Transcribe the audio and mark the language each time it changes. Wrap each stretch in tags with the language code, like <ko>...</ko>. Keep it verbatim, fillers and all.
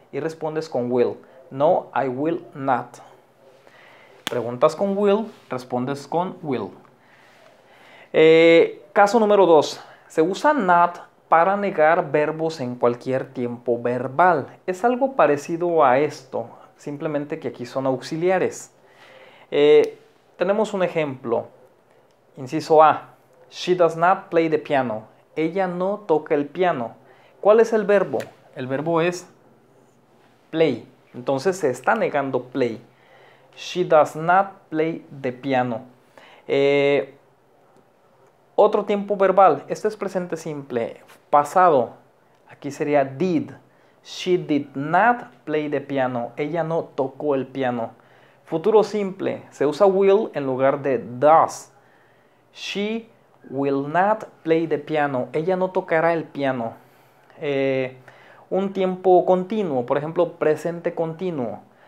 <es>Y respondes con will.</es> <en>No, I will not.</en> <es>Preguntas con will, respondes con will. Eh, caso número dos. Se usa not para negar verbos en cualquier tiempo verbal. Es algo parecido a esto, simplemente que aquí son auxiliares. Eh, tenemos un ejemplo. Inciso A.</es> <en>She does not play the piano.</en> <es>Ella no toca el piano. ¿Cuál es el verbo? El verbo es play. Entonces se está negando play.</es> <en>She does not play the piano.</en> <es>Eh, otro tiempo verbal. Este es presente simple. Pasado. Aquí sería did.</es> <en>She did not play the piano.</en> <es>Ella no tocó el piano. Futuro simple. Se usa will en lugar de does.</es> <en>She will not play the piano.</en> <es>Ella no tocará el piano. Eh, un tiempo continuo. Por ejemplo, presente continuo.</es>